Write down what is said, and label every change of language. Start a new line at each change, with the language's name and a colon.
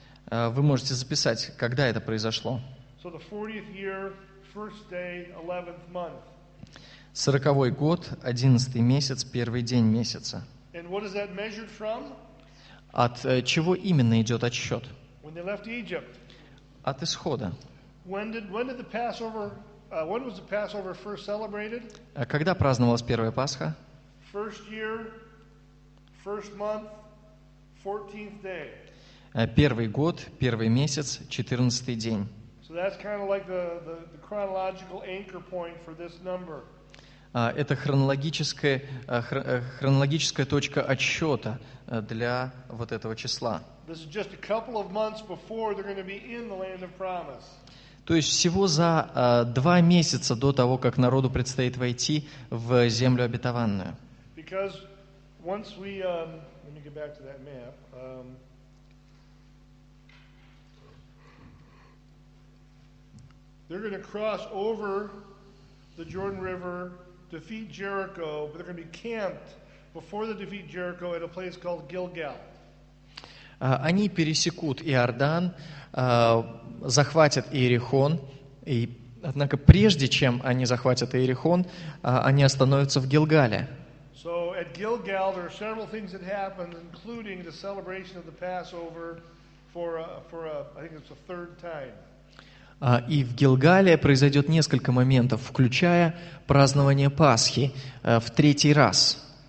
Russian: Вы можете записать, когда это произошло.
English: So the 40th year, first day, 11th month.
Russian: 40-й год, 11-й месяц, первый день месяца.
English: And what is that measured from?
Russian: От чего именно идет отсчет?
English: When they left Egypt.
Russian: От исхода.
English: When did the Passover, when was the Passover first celebrated?
Russian: Когда праздновалась первая Пасха?
English: First year, first month, 14th day.
Russian: Первый год, первый месяц, 14-й день.
English: So that's kind of like the chronological anchor point for this number.
Russian: Это хронологическая точка отсчета для вот этого числа.
English: This is just a couple of months before they're going to be in the land of promise.
Russian: То есть всего за два месяца до того, как народу предстоит войти в землю обетованную.
English: Because once we let me get back to that map. They're going to cross over the Jordan River, defeat Jericho, but they're going to be camped before they defeat Jericho at a place called Gilgal.
Russian: Они пересекут Иордан, захватят Иерихон, и, однако прежде чем они захватят Иерихон, они остановятся в Гилгале.
English: So at Gilgal there are several things that happen, including the celebration of the Passover for a, I think it's the third time.
Russian: И в Гилгале произойдет несколько моментов, включая празднование Пасхи в третий раз.